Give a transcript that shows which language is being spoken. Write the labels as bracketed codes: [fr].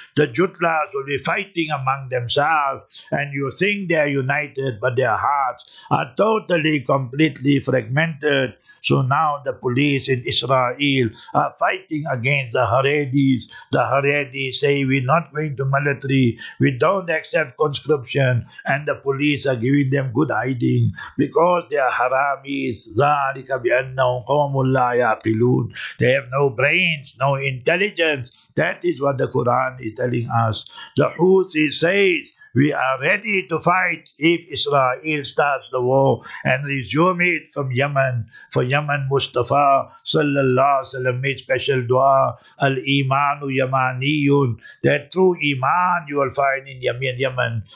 [en] The jutlas will be fighting among themselves, and you think they are united, but their hearts are totally, completely fragmented. So now the police in Israel are fighting against the Haredis. The Haredis say, we're not going to military, we don't accept conscription, and the police are giving them good hiding. Because they are haramis, [ar] ذَٰلِكَ بِأَنَّهُمْ قَوْمُ لَا يَعْقِلُونَ. [en] They have no brains, no intelligence. That is what the Quran is telling us. The Houthi says, we are ready to fight if Israel starts the war and resume it from Yemen. For Yemen, Mustafa sallallahu alaihi wasallam made special dua, [ar] Al-Imanu Yamaniyun, [en] that true Iman you will find in Yemen.